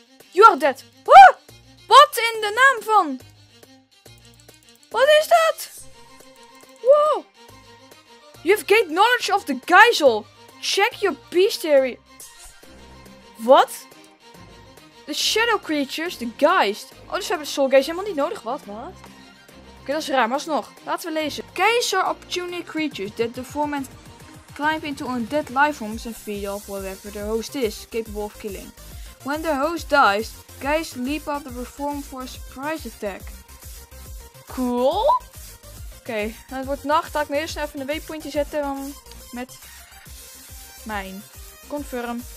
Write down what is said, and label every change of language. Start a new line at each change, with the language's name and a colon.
English: You are dead.
Dutch: Huh? Wat in de naam van? Wat is dat? Wow.
English: You have gained knowledge of the geysel. Check your bestiary.
Dutch: Wat?
English: The shadow creatures, the geist.
Dutch: Oh, dus we hebben de soul geist helemaal niet nodig. Wat? Oké, dat is raar, maar alsnog. Laten we lezen.
English: Geyser opportunity creatures that deform and climb into a dead life form and feed off whatever their host is, capable of killing. When their host dies, guys leap up and perform for a surprise attack. Cool.
Dutch: Oké, okay, het wordt nacht. Laat ik me eerst even een waypointje zetten met mijn confirm.